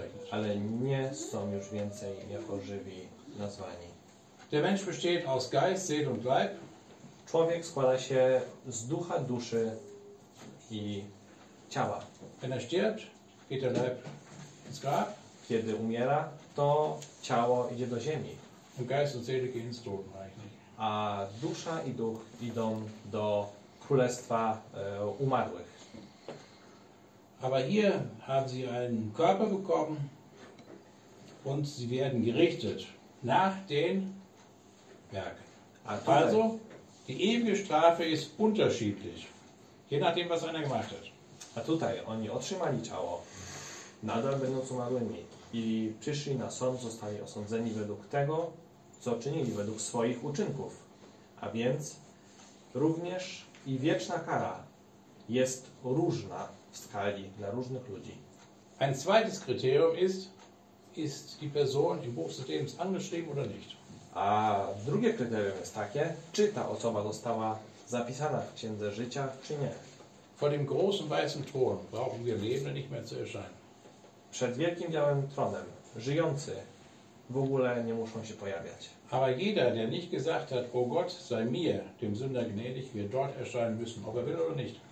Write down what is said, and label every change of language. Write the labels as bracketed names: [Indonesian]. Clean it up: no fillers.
[Polish] Ale nie są już więcej jako żywi nazwani. [German] Der Mensch besteht aus Geist, Seele und Leib. [Polish] Człowiek składa się z ducha, duszy i ciała. [German] Wenn er stirbt, geht der Leib ins Grab. [Polish] Kiedy umiera, to ciało idzie do ziemi. [German] Und Geist und Seele gehen ins Totenreich. [Polish] A dusza i duch idą do Królestwa Umarłych. [German] Aber hier haben sie einen Körper bekommen und sie werden gerichtet nach den Werken. Also, die ewige Strafe ist unterschiedlich, je nachdem, was einer gemacht hat. [Polish] A tutaj oni otrzymali ciało, nadal będąc umarłymi i przyszli na sąd, zostali osądzeni według tego, co czynili, według swoich uczynków. A więc również i wieczna kara jest różna w skali dla różnych ludzi. [German] Ein zweites Kriterium ist, ist die Person im Buch des Lebens angeschrieben oder nicht. [Polish] A drugie kryterium jest takie, czy ta osoba została zapisana w Księdze Życia, czy nie. [German] Vor dem großen weißen Thron brauchen wir Lebende nicht mehr zu erscheinen. [Polish] Przed wielkim białym tronem żyjący w ogóle nie muszą się pojawiać. [German] Aber jeder, der nicht gesagt hat, o Gott, sei mir, dem Sünder gnädig, wird dort erscheinen müssen, ob er will oder nicht.